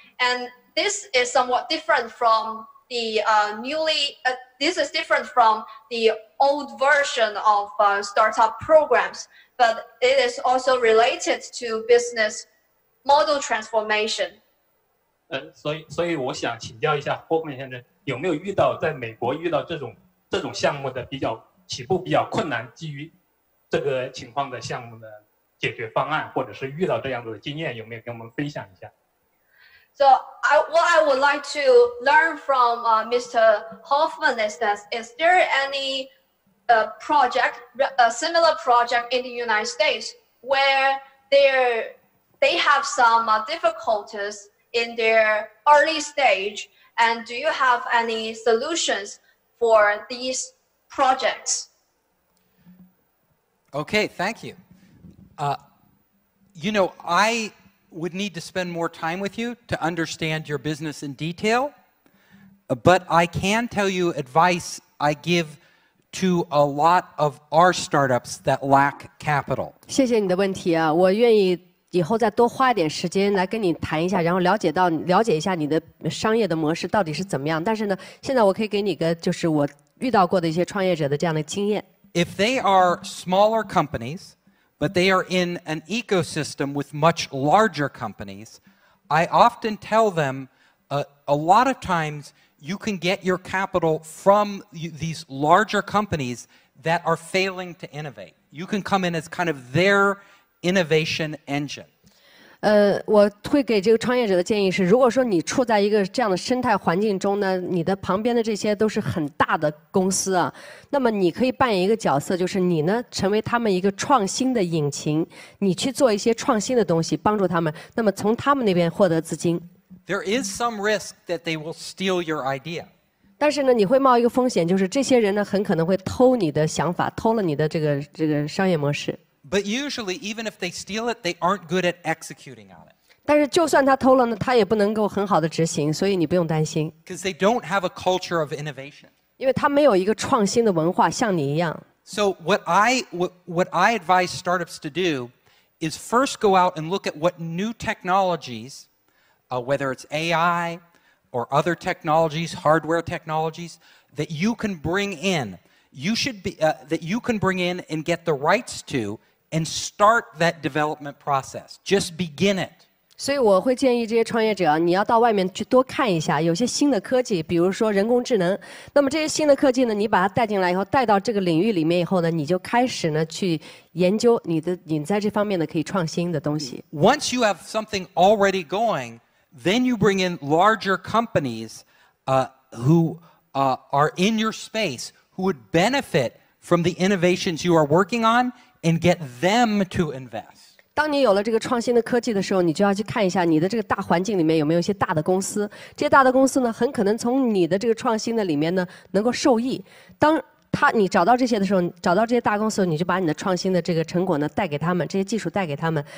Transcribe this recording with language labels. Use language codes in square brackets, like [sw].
[en] And this is somewhat different from the this is different from the old version of startup programs, but it is also related to business model transformation. [zh] 所以我想请教一下霍夫曼先生，有没有遇到在美国遇到这种项目的比较起步比较困难，基于这个情况的项目的解决方案，或者是遇到这样子的经验，有没有跟我们分享一下？ [en] So what I would like to learn from Mr. Hoffman is there any project, a similar project in the United States where they have some difficulties in their early stage, and do you have any solutions for these projects? Okay, thank you. I would need to spend more time with you to understand your business in detail, but I can tell you advice I give to a lot of our startups that lack capital. [zh] 谢谢你的问题啊，我愿意以后再多花一点时间来跟你谈一下，然后了解一下你的商业的模式到底是怎么样。但是呢，现在我可以给你一个就是我遇到过的一些创业者的这样的经验。 [en] If they are smaller companies,But they are in an ecosystem with much larger companies. I often tell them, a lot of times you can get your capital from these larger companies that are failing to innovate. You can come in as kind of their innovation engine. [zh] 我会给这个创业者的建议是，如果说你处在一个这样的生态环境中呢，你的旁边的这些都是很大的公司啊，那么你可以扮演一个角色，就是你呢成为他们一个创新的引擎，你去做一些创新的东西帮助他们，那么从他们那边获得资金。 [en] There is some risk that they will steal your idea. [zh] 但是呢，你会冒一个风险，就是这些人呢很可能会偷你的想法，偷了你的这个商业模式。 [en] But usually, even if they steal it, they aren't good at executing on it. [zh] 但是就算他偷了呢，他也不能够很好的执行，所以你不用担心。 [en] Because they don't have a culture of innovation. [zh] 因为他没有一个创新的文化，像你一样。 [en] So what I advise startups to do is first go out and look at what new technologies, whether it's AI or other technologies, hardware technologies, that you can bring in. That you can bring in and get the rights to and start that development process. Just begin it. [zh] 所以我会建议这些创业者，你要到外面去多看一下，有些新的科技，比如说人工智能。那么这些新的科技呢，你把它带进来以后，带到这个领域里面以后呢，你就开始呢去研究你在这方面的可以创新的东西。 [en] Once you have something already going, then you bring in larger companies, who are in your space. Who would benefit from the innovations you are working on and get them to invest? [zh] 当你有了这个创新的科技的时候，你就要去看一下你的这个大环境里面有没有一些大的公司。这些大的公司呢，很可能从你的这个创新的里面呢能够受益。当你找到这些的时候，找到这些大公司，你就把你的创新的这个成果呢带给他们，这些技术带给他们。